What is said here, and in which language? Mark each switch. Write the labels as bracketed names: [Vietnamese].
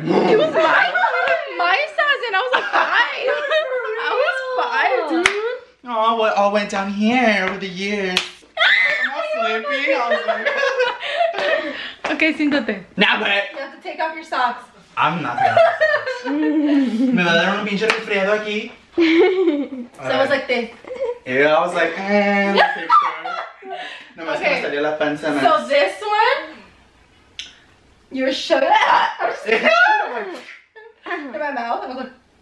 [English] it was my size and I was like 5. I was 5, dude. Oh, well, it all went down here over the years. I'm all slippy. I was like, [Spanish] okay, siéntate. [English] Now, but. You have to take off your socks. I'm not going to. [Spanish] Me va a dar un pinche resfriado aquí. [English] So it was like this. Yeah, I was like, eh. [Spanish] No más que me salió la panza. [English] So this one. You're shut up. I'm just like, in my mouth. I was like,